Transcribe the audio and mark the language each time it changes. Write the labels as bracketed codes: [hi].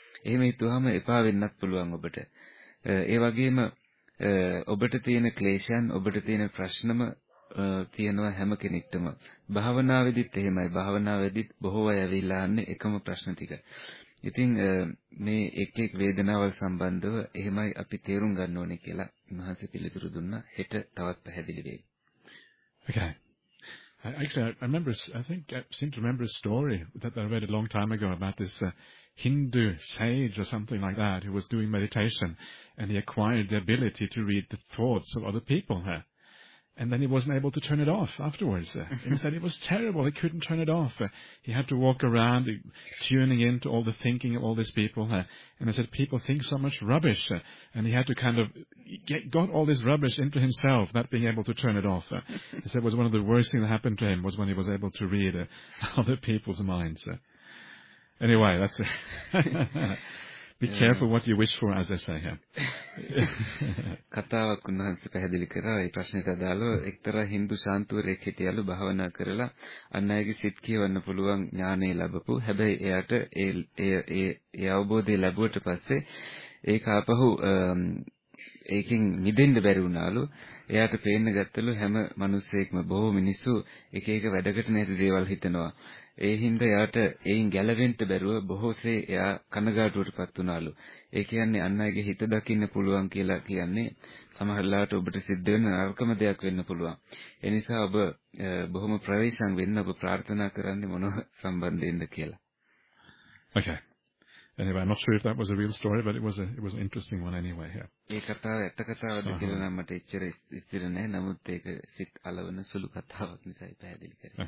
[si] එහෙම හිතුවම එපා වෙන්නත් පුළුවන් ඔබට. ඒ වගේම ඔබට තියෙන ක්ලේශයන්, ඔබට තියෙන ප්‍රශ්නම තියෙනවා හැම කෙනෙක්ටම. භාවනාවේදීත් එහෙමයි. භාවනාවේදීත් බොහෝ අය ඇවිල්ලා අහන්නේ එකම ප්‍රශ්න ටික. ඉතින් මේ එක් එක් වේදනාවල් සම්බන්ධව එහෙමයි අපි තේරුම් ගන්න ඕනේ කියලා මහන්සි පිළිතුරු දුන්නා. හෙට තවත් පැහැදිලි වේවි. [en] Okay. I seem to remember a story that I read a long time ago about this Hindu sage or something like that who was doing meditation and he acquired the ability to read the thoughts of other people. And then he wasn't able to turn it off afterwards. He said it was terrible. He couldn't turn it off. He had to walk around tuning into all the thinking of all these people. And I said, people think so much rubbish. And he had to kind of got all this rubbish into himself, not being able to turn it off. He said it was one of the worst things that happened to him was when he was able to read other people's minds. Anyway, that's it. Be careful what you wish for, as they say here. [si] කතාවක් උන්වහන්සේ පැහැදිලි කරා ඒ ප්‍රශ්නෙට අදාළව එක්තරා Hindu ශාන්තුවරයෙක් හිටියලු භාවනා කරලා අන් අයගේ සිත් කියවන්න පුළුවන් ඥානය ලැබපු. හැබැයි එයාට ඒ අවබෝධය ලැබුවට පස්සේ ඒක ආපහු ඒකෙන් නිදෙන්න බැරි වුණාලු. එයාට පේන්න ගත්තලු හැම මිනිස්සෙක්ම බොහෝ මිනිස්සු එක එක වැඩකට නැති දේවල් හිතනවා. ඒ හින්දා එයාට එයින් ගැලවෙන්න බැරුව බොහෝසේ එයා කනගාටුවටපත් වුණාලු. ඒ කියන්නේ අන් අයගේ හිත දකින්න පුළුවන් කියලා කියන්නේ සමහර වෙලාවට ඔබට සිද්ධ වෙන නරකම දෙයක් වෙන්න පුළුවන්. ඒ නිසා ඔබ බොහොම ප්‍රවේශම් වෙන්න ඔබ ප්‍රාර්ථනා කරන්නේ මොන සම්බන්ධයෙන්ද කියලා. [en] Okay. Anyway, I'm not sure if that was a real story, but it was an interesting one anyway here. [si] ඒ කතාව ඇත්ත කතාවද කියලා නම් මට එච්චර ස්ථිර නැහැ. නමුත් ඒක සිත් අලවන සුළු කතාවක් නිසායි පැහැදිලි කරන්නේ.